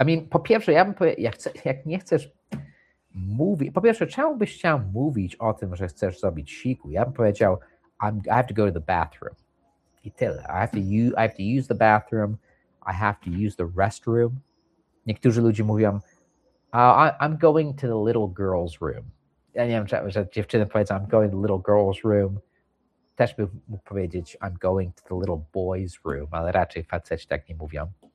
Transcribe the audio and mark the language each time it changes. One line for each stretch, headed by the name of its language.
Polish: Po pierwsze, ja bym powiedział, jak nie chcesz mówić, po pierwsze, czemu byś chciał mówić o tym, że chcesz zrobić siku? Ja bym powiedział,
English: I have to go to the bathroom.
Polish: I tyle.
English: I have to use the bathroom. I have to use the restroom.
Polish: Niektórzy ludzie mówią,
English: I'm going to the little girl's room.
Polish: Ja nie wiem, że dziewczyny powiedzą,
English: I'm going to the little girl's room.
Polish: Też by mógł powiedzieć,
English: I'm going to the little boy's room,
Polish: ale raczej faceci tak nie mówią.